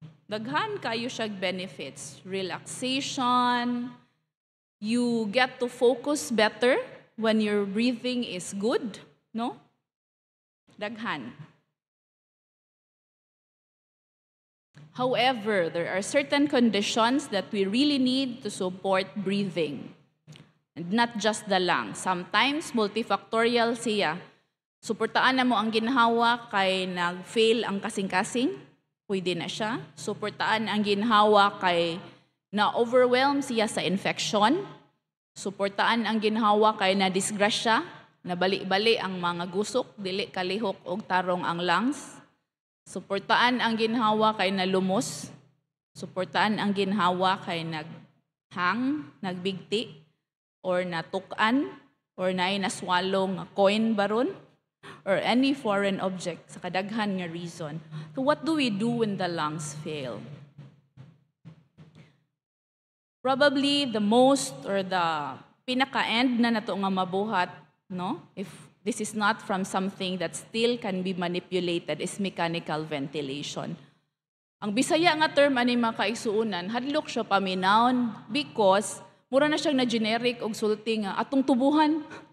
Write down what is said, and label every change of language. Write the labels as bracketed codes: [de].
[ceb] Daghan kayo siyag benefits. [en] Relaxation, you get to focus better when your breathing is good, no? [ceb] Daghan. [en] However, there are certain conditions that we really need to support breathing. And not just the lungs. Sometimes, multifactorial siya. [ceb] Suportaan na mo ang ginhawa kay nag-fail ang kasing-kasing. Pwede na siya. Suportaan ang ginhawa kay na-overwhelm siya sa infection. Suportaan ang ginhawa kay na-disgrasya. Nabali-bali ang mga gusok, dili, kalihok o tarong ang lungs. Suportaan ang ginhawa kay nalumos. Suportaan ang ginhawa kay nag-hang, nagbigti, or natukan, or nainaswalong coin baron, or any foreign object sa kadaghan nga reason. [en] So what do we do when the lungs fail? Probably the most or the [ceb] pinaka-end na nato nga mabuhat, [en] no? If this is not from something that still can be manipulated, is mechanical ventilation. [ceb] Ang Bisaya nga term ani mga kaigsuunan, hadlok siya paminawon because mura na siyang na-generic o sulti nga atong tubuhan.